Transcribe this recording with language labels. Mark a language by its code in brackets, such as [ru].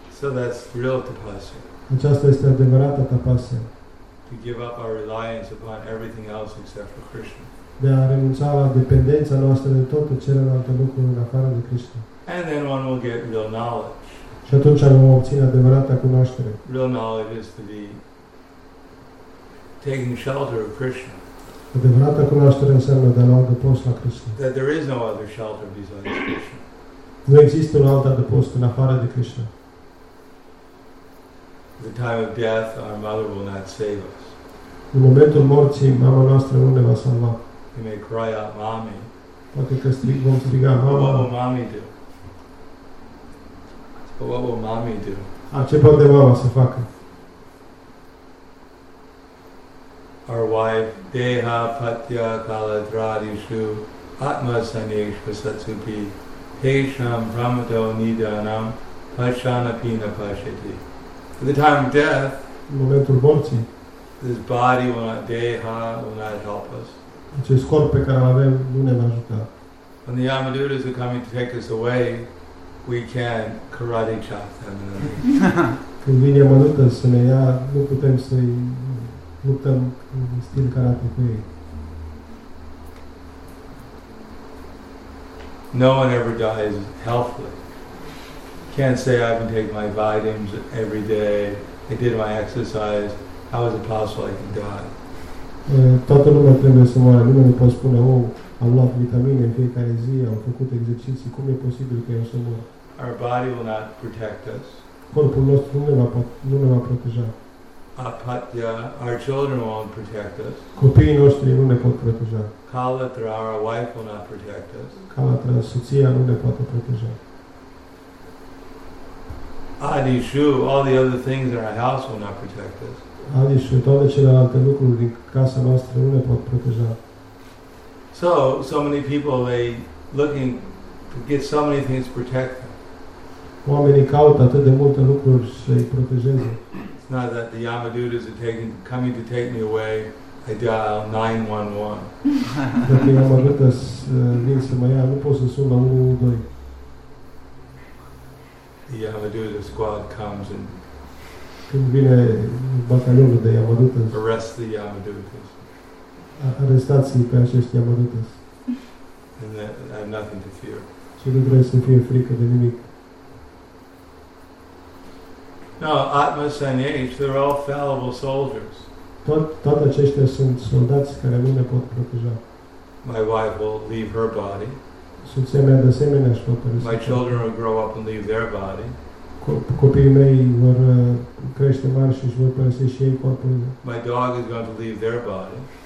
[en] So that's real tapasya. [ro] Aceasta este adevărata tapasya. [en] To give up our reliance upon everything else except for Krishna. [ro] De a renunța la dependența noastră de tot celelalte lucruri în afară de Krishna. [en] And then one will get real knowledge. [ro] Și atunci vom obține adevărata cunoaștere. [en] Real knowledge is to be taking shelter of Krishna. [ro] Adevărata cunoaștere înseamnă de a lua adăpost la Krishna. [en] That there is no other shelter besides Krishna. [ro] Nu există un alt adăpost în afară de Krishna. [en] The time of death, our mother will not save us. [ro] În momentul morții, mama noastră nu ne va salva. [en] We may cry out, mommy. [ro] Poate că vom striga, mama. [en] What will mommy do? But what will mommy do? [ro] A, ce poate mama să facă? [sa] Our wife, deha patya kaladradishu atma saneshva satsupi hesham pramato nidanam pashana pina pashati. [en] At the time of death, [ro] momentul morții, [en] this body will not, deha will not help us. [ro] Acest corp pe care îl avem nu ne va ajuta. [en] When the Yamadutas are coming to take us away, we can karate chop them. [ro] Când vine Yamaduta să ne ia, nu putem să-i luptăm în stil karate cu ei. [en] No one ever dies healthily. Can't say I've been taking my vitamins every day, I did my exercise, how is it possible I can die? [ro] Toată lumea trebuie să moară. Nimeni nu poate spune, oh, am luat vitamine în fiecare zi, am făcut exerciții, cum e posibil că eu să mor? [en] Our body will not protect us. [ro] Corpul nostru nu ne va proteja. [en] Apatya, our children won't protect us. [ro] Copiii noștri nu ne pot proteja. [en] Kalatra, our wife will not protect us. [ro] Kalatra, soția nu ne poate proteja. [en] Adishu, all the other things in our house will not protect us. [ro] Adishu, toate celelalte lucruri din casa noastră nu ne pot proteja. [en] So many people, they looking to get so many things to protect them. [ro] Oamenii caută atât de multe lucruri să-i protejeze. [en] Not that the Yamadutas are coming to take me away, I dial 911. [ro] Dacă [en] the Yamadutas [ro] vin să mă ia, nu pot să sun la 112. [en] The Yamadutas squad comes and [ro] când vine batalionul de Yamadutas, [en] arrest the Yamadutas. [ro] Arestați-i pe acești Yamadutas. [en] And then I have nothing to fear. [ro] Și nu trebuie să fie frică de nimic. [en] No, Atma Sanyesh, they're all fallible soldiers. [ro] Toate aceștia sunt soldați care nu ne pot proteja. [en] My wife will leave her body. [ro] Soția mea de asemenea își pot părăsi. [en] My children will grow up and leave their body. [ro] Copiii mei vor crește mari și își vor părăsi și ei corpul. [en] My dog is going to leave their body.